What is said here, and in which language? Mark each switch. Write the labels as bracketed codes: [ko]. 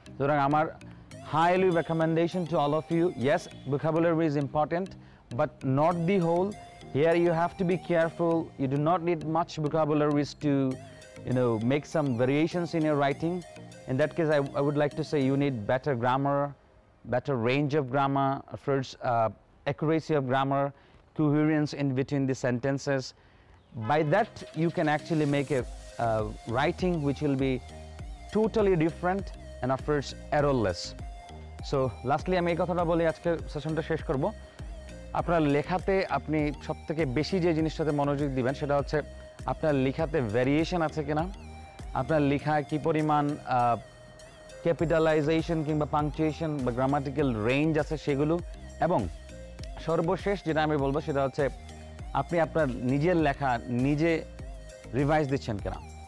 [bn] সুতরাং আমার [en] Highly recommendation to all of you, yes vocabulary is important but not the whole. Here you have to be careful, you do not need much vocabulary to, you know, make some variations in your writing. In that case, I would like to say you need better grammar, better range of grammar, first accuracy of grammar, coherence in between the sentences. By that you can actually make a writing which will be totally different and of course errorless. So lastly, [bn] ami ei kotha ta boli ajke session ta shesh korbo. আপনার লেখাতে আপনি সবথেকে বেশি যে জিনিসটাতে মনোযোগ দিবেন সেটা হচ্ছে আপনার লেখাতে ভ্যারিয়েশন আছে কিনা, আপনার লেখায় কী পরিমাণ ক্যাপিটালাইজেশন কিংবা পাংচুয়েশন বা গ্রামাটিক্যাল রেঞ্জ আছে সেগুলো, এবং সর্বশেষ যেটা আমি বলবো সেটা হচ্ছে আপনি আপনার নিজের লেখা নিজে রিভাইজ দিচ্ছেন কিনা.